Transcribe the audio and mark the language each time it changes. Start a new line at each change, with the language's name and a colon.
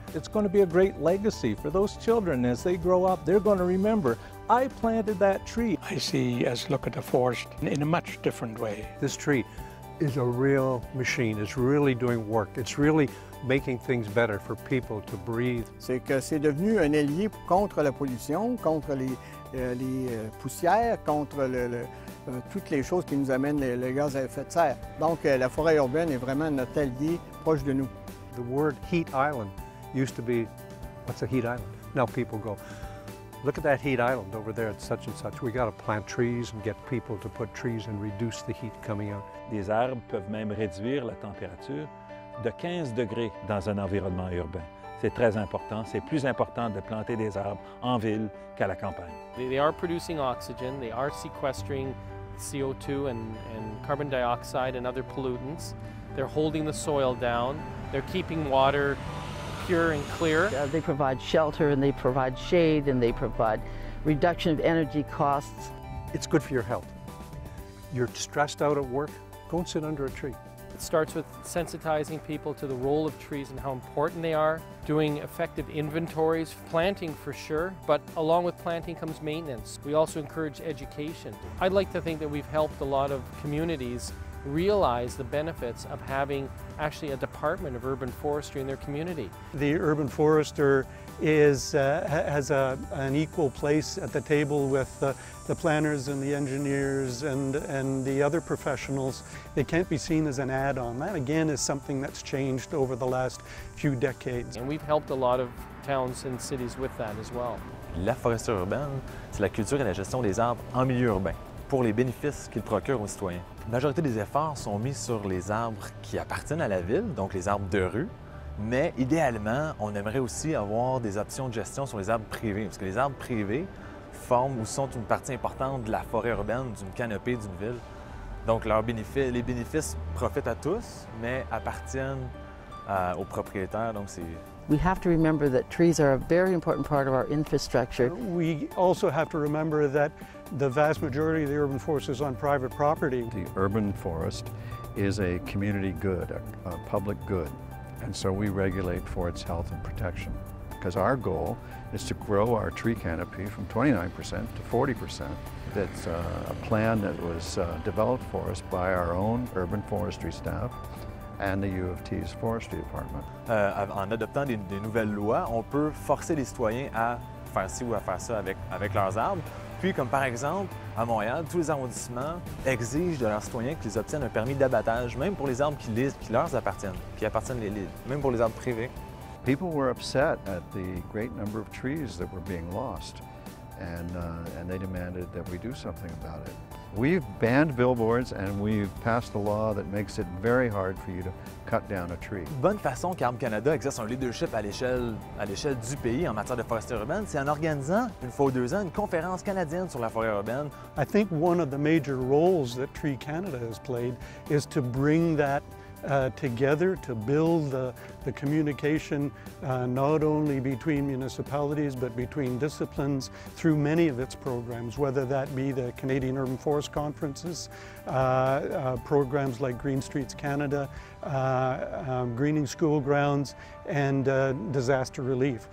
English: It's going to be a great legacy for those children as they grow up. They're going to remember, I planted that tree. I see us look at the forest in a much different way. This tree is a real machine. It's really doing work. It's really making things better for people to breathe.
French: C'est que c'est devenu un allié contre la pollution, contre les poussières, contre toutes les choses qui nous amènent les gaz à effet de serre. Donc la forêt urbaine est vraiment notre allié proche de nous.
English: The word heat island used to be, what's a heat island? Now people go, look at that heat island over there at such and such. We got to plant trees and get people to put trees and reduce the heat coming out.
French: Des arbres peuvent même réduire la température de 15 degrés dans un environnement urbain. C'est très important. C'est plus important de planter des arbres en ville qu'à la campagne.
English: They are producing oxygen. They are sequestering CO2 and carbon dioxide and other pollutants. They're holding the soil down. They're keeping water pure and clear. They provide shelter and they provide shade and they provide reduction of energy costs. It's good for your health. You're stressed out at work. Go and sit under a tree. It starts with sensitizing people to the role of trees and how important they are, doing effective inventories, planting for sure, but along with planting comes maintenance. We also encourage education. I'd like to think that we've helped a lot of communities realize the benefits of having actually a department of urban forestry in their community. The urban forester has an equal place at the table with the planners and the engineers and the other professionals. It can't be seen as an add-on. That again is something that's changed over the last few decades. And we've helped a lot of towns and cities with that as well.
French: La foresterie urbaine, c'est la culture et la gestion des arbres en milieu urbain pour les bénéfices qu'ils procurent aux citoyens. La majorité des efforts sont mis sur les arbres qui appartiennent à la ville, donc les arbres de rue. Mais idéalement, on aimerait aussi avoir des options de gestion sur les arbres privés, parce que les arbres privés forment ou sont une partie importante de la forêt urbaine, d'une canopée, d'une ville. Donc les bénéfices profitent à tous, mais appartiennent aux propriétaires. Donc c'est
English: We have to remember that trees are a very important part of our infrastructure. We also have to remember that the vast majority of the urban forest is on private property. The urban forest is a community good, a public good, and so we regulate for its health and protection. Because our goal is to grow our tree canopy from 29% to 40%. That's a plan that was developed for us by our own urban forestry staff and the U of T's forestry department.
French: En adoptant des nouvelles lois, on peut forcer les citoyens à faire ci ou à faire ça avec leurs arbres. Puis, comme par exemple, à Montréal, tous les arrondissements exigent de leurs citoyens qu'ils obtiennent un permis d'abattage, même pour les arbres qui leur appartiennent, qui appartiennent à l'élite, même pour les arbres privés.
English: People were upset at the great number of trees that were being lost, and they demanded that we do something about it. We've banned billboards and we've passed a law that makes it very hard for you to cut down a tree.
French: Bonne façon qu'Arbres Canada exerce un leadership à l'échelle du pays en matière de foresterie urbaine, c'est en organisant une fois ou deux ans une conférence canadienne sur la forêt urbaine.
English: I think one of the major roles that Tree Canada has played is to bring that together, to build the communication not only between municipalities but between disciplines through many of its programs, whether that be the Canadian Urban Forest Conferences, programs like Green Streets Canada, greening school grounds, and disaster relief.